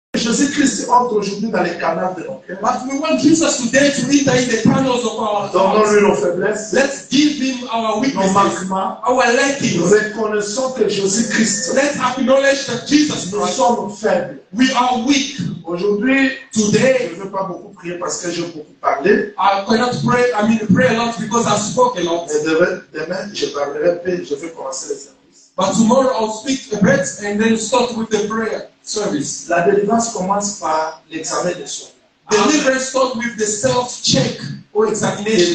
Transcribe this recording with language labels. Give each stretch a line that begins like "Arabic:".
French: Jésus Christ entre aujourd'hui dans les canaux de nos cœurs.
English: But we want Jesus today to enter in the canals of our hearts.
French: Donnons-lui nos faiblesses.
English: Let's give him our weaknesses. Our lackings.
French: Reconnaissons que Jésus Christ.
English: Let's acknowledge that Jesus Christ.
French: Nous sommes faibles.
English: We are weak.
French: Aujourd'hui,
English: today.
French: Je ne veux pas beaucoup prier parce que j'ai beaucoup parlé.
English: I cannot pray. I mean, pray a lot because I spoke a lot.
French: Demain, je parlerai peu. Je vais commencer les services.
English: But tomorrow I'll speak a bit and then start with the prayer. Service.
French: La délivrance commence par l'examen de soi.
English: Deliverance starts with the self-check or examination.